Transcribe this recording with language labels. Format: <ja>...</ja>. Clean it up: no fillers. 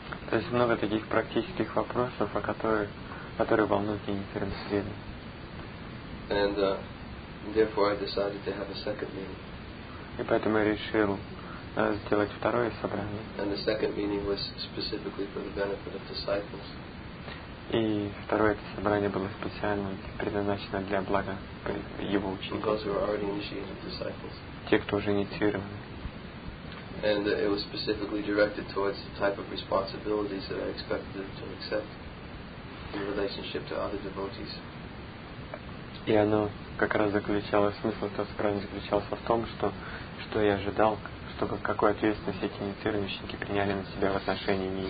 <ru>То есть много таких практических вопросов, о которые волнуют неинициированных преданных.</ru> <en>And therefore I decided to have a second meeting.</en> <ru>И поэтому я решил сделать второе собрание.</ru> <en>And the second meeting was specifically for the benefit of disciples.</en> <ru>И второе собрание было специально предназначено для блага его учеников.</ru> <en>Because we were already initiated disciples.</en> <ru>Те, кто уже инициированы.</ru> <en>And it was specifically directed towards the type of responsibilities that I expected them to accept in relationship to other devotees.</en> <ru>И оно как раз заключалось, смысл этого собрания заключался в том, что я ожидал, чтобы какую ответственность эти инициированные ученики приняли на себя в отношении</ru>